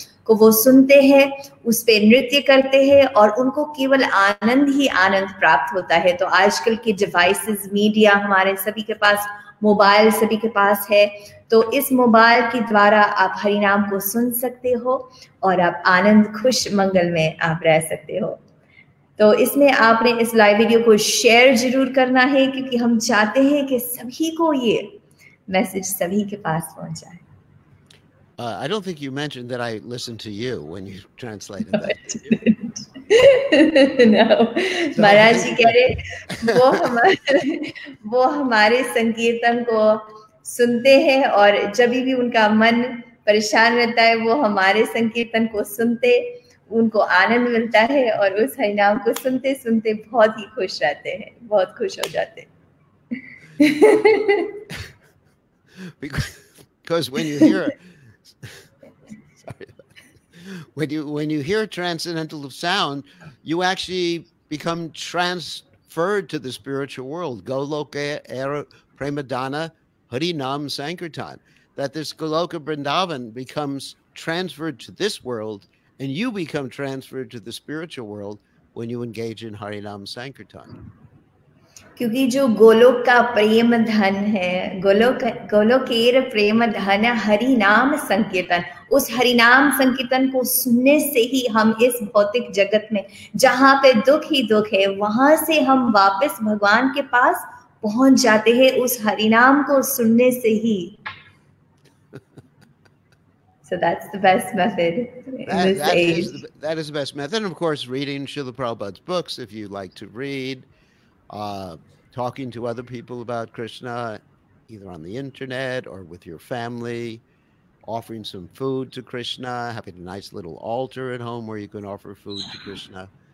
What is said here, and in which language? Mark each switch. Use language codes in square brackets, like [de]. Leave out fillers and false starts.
[hi] को वो सुनते हैं उस पे नृत्य करते हैं और उनको केवल आनंद ही आनंद प्राप्त होता है तो आजकल के डिवाइसेस मीडिया हमारे सभी के पास मोबाइल सभी के पास है तो इस मोबाइल के द्वारा आप हरिनाम को सुन सकते हो और आप आनंद खुश मंगल में आप रह सकते हो तो इसमें आपने इस लाइव वीडियो को शेयर जरूर करना है क्योंकि हम चाहते हैं कि सभी को ये मैसेज सभी के पास पहुंचाए [en] I don't think you mentioned that I listened to you when you translated that. No, I didn't. [hi] No, महाराज जी कह रहे वो हमारे संकीर्तन को सुनते हैं और जब भी उनका मन परेशान रहता है वो हमारे संकीर्तन को सुनते उनको आनंद मिलता है और उस हरि नाम को सुनते सुनते बहुत ही खुश रहते हैं, बहुत खुश हो जाते हैं. [en] Because when you hear when you hear transcendental sound, you actually become transferred to the spiritual world. [bn] Goloka era premadana hari nam sankirtan, [en] that this Goloka Vrindavan becomes transferred to this world and you become transferred to the spiritual world when you engage in hari nam sankirtan. [hi] क्योंकि जो गोलोक का प्रेम धन है, गोलोक गोलोकेर प्रेम धन है हरि नाम संकीर्तन, उस हरि नाम संकीर्तन को सुनने से ही हम इस भौतिक जगत में जहां पे दुख ही दुख है वहां से हम वापस भगवान के पास पहुंच जाते हैं उस हरि नाम को सुनने से ही. [en] So that's the best method in that, this that age. Is the best method. Of course, reading Srila Prabhupada's books if you like to read. Talking to other people about Krishna, either on the internet or with your family, offering some food to Krishna, having a nice little altar at home where you can offer food to Krishna.